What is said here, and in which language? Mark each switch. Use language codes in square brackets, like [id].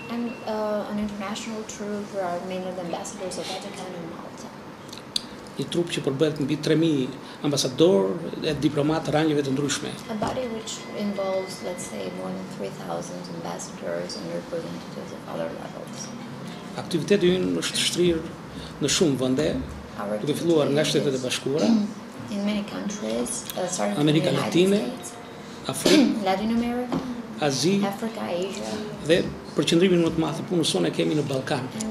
[en] And an international troop where are mainly the ambassadors of Vatican and Malta. [sq] Një trup që përbëhet mbi 3000 ambasador e diplomatë rangjeve të ndryshme. [en] A body which involves, let's say, more than 3000 ambassadors and representatives of other levels. [sq] Aktiviteti ynë është shtrirë në shumë vende, duke filluar nga Shtetet e Bashkuara, [en] in many countries, starting from America Latina, Latin America, [sq] Azi, [en] Africa, Asia. [sq] Dhe përqendrimin më të madh të punës sonë e kemi në Ballkan.